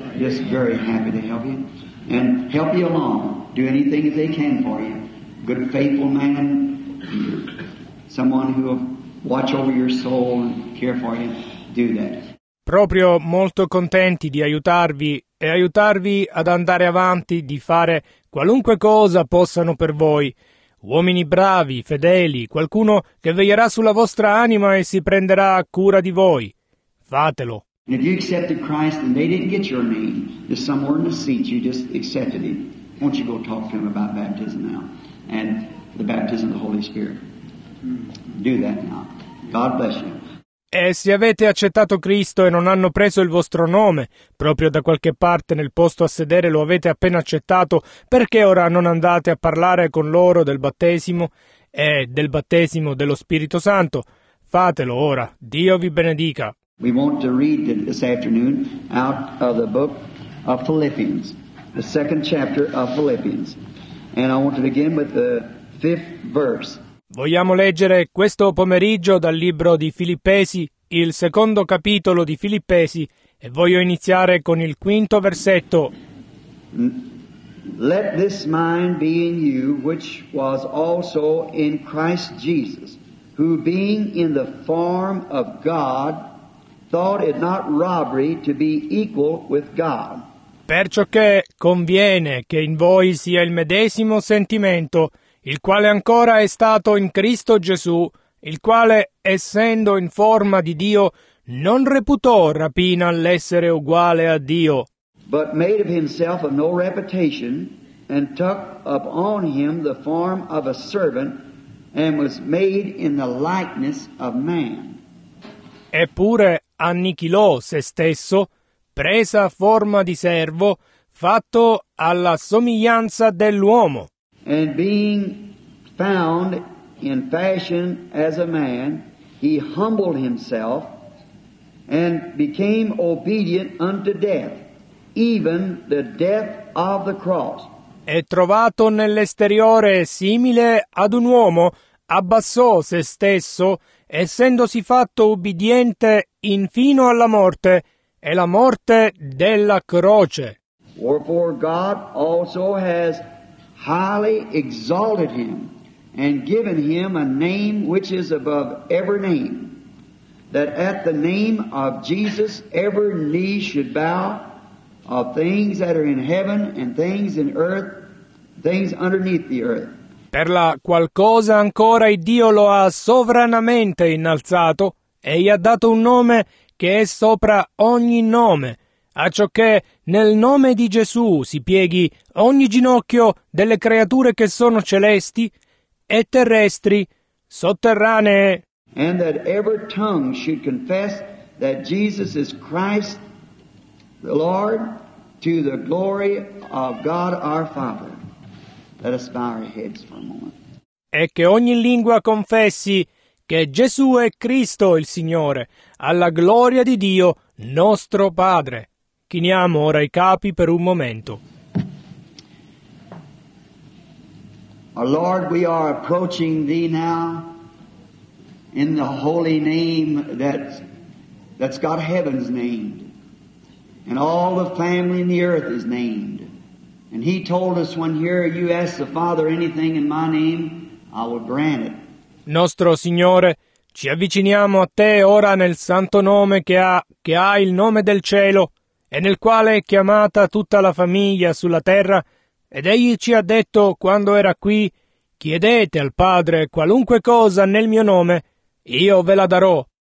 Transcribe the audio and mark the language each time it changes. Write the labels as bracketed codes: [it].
[en] Yes, very happy to help you, and help you along, do anything they can for you. Good, faithful man. Someone who will watch over your soul and care for you, do that. [it] Proprio molto contenti di aiutarvi e aiutarvi ad andare avanti, di fare qualunque cosa possano per voi. Uomini bravi, fedeli, qualcuno che veglierà sulla vostra anima e si prenderà cura di voi. Fatelo. [en] And if you accepted Christ and they didn't get your name, there's somewhere in the seat you just accepted him. Why don't you go talk to him about baptism now and the baptism of the Holy Spirit? Do that now. God bless you. [it] E se avete accettato Cristo e non hanno preso il vostro nome, proprio da qualche parte nel posto a sedere lo avete appena accettato, perché ora non andate a parlare con loro del battesimo e del battesimo dello Spirito Santo? Fatelo ora. Dio vi benedica. [en] We want to read this afternoon out of the book of Philippians, the second chapter of Philippians. And I want to begin with the fifth verse. [it] Vogliamo leggere questo pomeriggio dal libro di Filippesi, il secondo capitolo di Filippesi, e voglio iniziare con il quinto versetto. [en] Let this mind be in you, which was also in Christ Jesus, who being in the form of God, thought it not robbery to be equal with God. [it] Perciò che conviene che in voi sia il medesimo sentimento, il quale ancora è stato in Cristo Gesù, il quale, essendo in forma di Dio, non reputò rapina l'essere uguale a Dio. [en] But made of himself of no reputation, and took upon him the form of a servant, and was made in the likeness of man. [it] Eppure annichilò se stesso, presa forma di servo, fatto alla somiglianza dell'uomo. [en] And being found in fashion as a man, he humbled himself and became obedient unto death, even the death of the cross. [it] E trovato nell'esteriore simile ad un uomo, abbassò se stesso essendosi fatto ubbidiente infino alla morte, e la morte della croce. [en] Wherefore God also has highly exalted him and given him a name which is above every name, that at the name of Jesus every knee should bow, of things that are in heaven and things in earth, things underneath the earth. [it] Per la qualcosa ancora Dio lo ha sovranamente innalzato e gli ha dato un nome che è sopra ogni nome, a ciò che nel nome di Gesù si pieghi ogni ginocchio delle creature che sono celesti e terrestri, sotterranee. [en] And that every tongue should confess that Jesus is Christ the Lord, to the glory of God our Father. Let us bow our heads for a moment. [it] E che ogni lingua confessi che Gesù è Cristo il Signore, alla gloria di Dio nostro Padre. Chiniamo ora i capi per un momento. [en] Our Lord, we are approaching Thee now in the holy name that's got heaven's name, and all the family in the earth is named. And He told us when here you ask the Father anything in my name, I will grant it. [it] Nostro Signore, ci avviciniamo a Te ora nel santo nome che ha il nome del cielo e nel quale è chiamata tutta la famiglia sulla terra, ed Egli ci ha detto quando era qui: chiedete al Padre qualunque cosa nel mio nome, io ve la darò.